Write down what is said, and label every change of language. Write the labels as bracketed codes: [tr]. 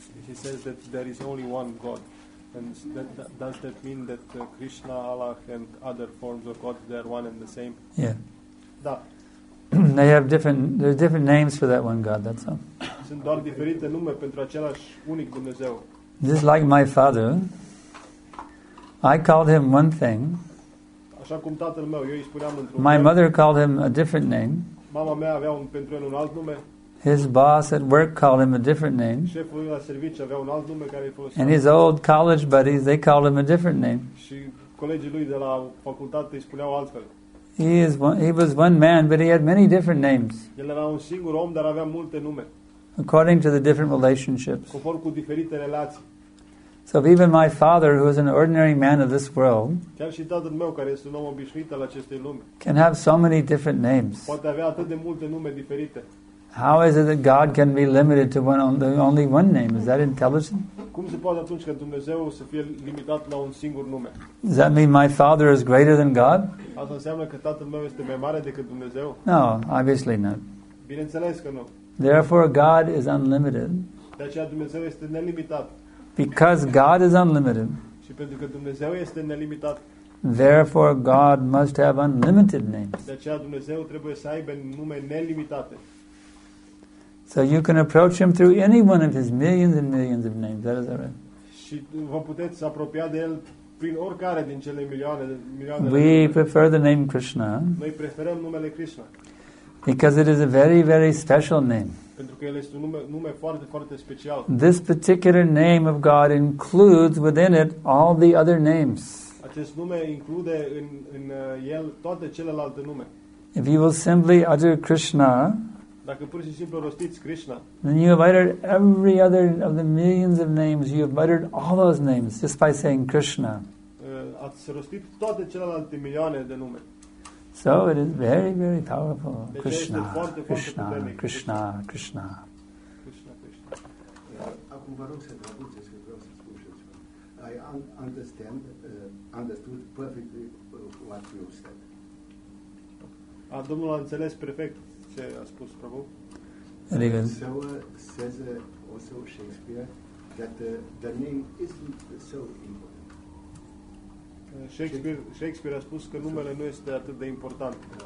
[en] He says that there is only one God. And that, does that mean that Krishna, Allah and other forms of God, they are one and the same? Yeah. [ro] Da. [en] They have different, there are different names for that one God, that's all. [ro] Sunt doar diferite nume pentru același unic Dumnezeu. [en] Just like my father, I called him one thing. [ro] Așa cum tatăl meu, eu îi spuneam într-un [en] My [ro] nume. [en] Mother called him a different name. [ro] Mama mea avea un, pentru el un alt nume. [en] His boss at work called him a different name. [ro] Șeful la serviciu avea un alt nume care îi folosea. [en] And his old college buddies, they called him a different name. [ro] Și colegii lui de la facultate îi spuneau altfel. [en] He was one man, but he had many different names. [ro] El era un singur om, dar avea multe nume. [en] According to the different relationships. [ro] Conform cu diferite relații. [en] So even my father, who is an ordinary man of this world, [ro] chiar și tatăl meu, care este un om obișnuit al acestei lume, [en] can have so many different names. [ro] Poate avea atât de multe nume diferite. [en] How is it that God can be limited to one only one name? Is that intelligent? [ro] Cum se poate atunci când Dumnezeu să fie limitat la un singur nume? [en] Does that mean my father is greater than God? [ro] Asta înseamnă că tatăl meu este mai mare decât Dumnezeu? [en] No, obviously not. [ro] Bineînțeles că nu. [en] Therefore, God is unlimited. [ro] De aceea Dumnezeu este nelimitat. [en] Because God is unlimited. [ro] Și pentru că Dumnezeu este nelimitat. [en] Therefore, God must have unlimited names. [ro] De aceea Dumnezeu trebuie să aibă nume nelimitate. [en] So you can approach him through any one of his millions and millions of names. That is all right. [ro] Și vă puteți apropia de el prin oricare din cele milioane de milioane. [en] We prefer the name Krishna. [ro] Noi preferăm numele Krishna. [en] Because it is a very, very special name. [ro] Pentru că el este un nume foarte, foarte special. [en] This particular name of God includes within it all the other names. [ro] Acest nume include în el toate celelalte nume. [en] If you will simply utter Krishna. [ro] Dacă pur și simplu rostiți Krishna. [en] Then you have uttered every other of the millions of names. You have uttered all those names just by saying Krishna. [ro] Ați rostit toate celelalte milioane de nume. [en] So it is very, very powerful. [ro] Deci Krishna, foarte, foarte Krishna, puternic. Krishna, Krishna, Krishna. Krishna, Krishna. Acum vă rog să traduceți că vreau să spun și ceva. [en] I understand, understood perfectly what you said. [ro] A, domnul a înțeles perfect. Ce a spus Prabhu? [en] So says also Shakespeare that the name isn't so important. [ro] Shakespeare a spus că numele nu este atât de important.